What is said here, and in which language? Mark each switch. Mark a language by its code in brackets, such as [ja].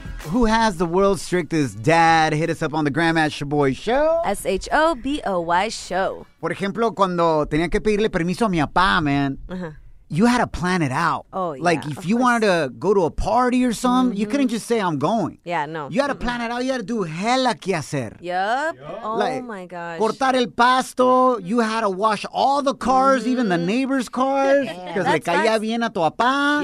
[en] Who has the world's strictest dad? Hit us up on the gram at Shaboy Show. Shaboy Show. [es] Por ejemplo, cuando tenía que pedirle permiso a mi papá, [en] man, you had to plan it out. Oh, yeah. Like, if you wanted to go to a party or something, you couldn't just say, I'm going. Yeah, no. You had to plan it out. You had to do hella [es] que hacer. [en] Yup. Yep. Oh, like, my gosh. [es] Cortar el pasto. [en] You had to wash all the cars, even the neighbor's cars. [es] Because le caía bien a tu papá.